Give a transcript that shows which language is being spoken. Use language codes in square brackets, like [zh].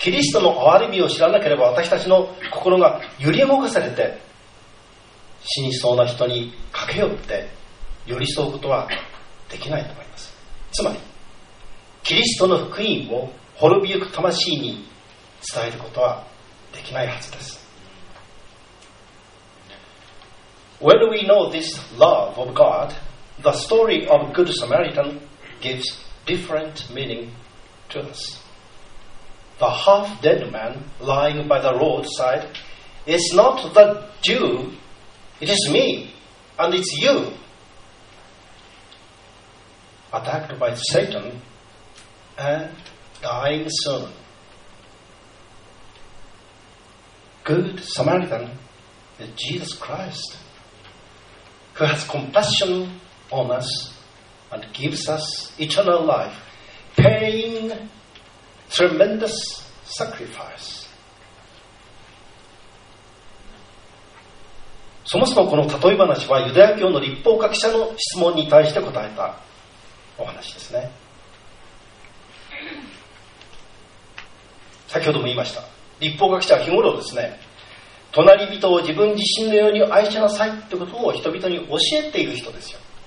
[ja] キリストの憐れみを知らなければ、私たちの心が揺り動かされて死にそうな人に駆け寄って寄り添うことはできないと思います。つまりキリストの福音を滅びゆく魂に伝えることはできないはずです。 [en] When we know this love of God, the story of Good Samaritan gives different meaning to us. The half-dead man lying by the roadside is not the Jew, it is me, and it's you. Attacked by Satan and dying soon. Good Samaritan is Jesus Christ. Who has compassion on us and gives us eternal life, paying tremendous sacrifice. [ja] そもそもこの例え話はユダヤ教の律法学者の質問に対して答えたお話ですね。先ほども言いました、律法学者は日頃ですね、隣人を自分自身のように愛しなさいってことを人々に教えている人ですよ。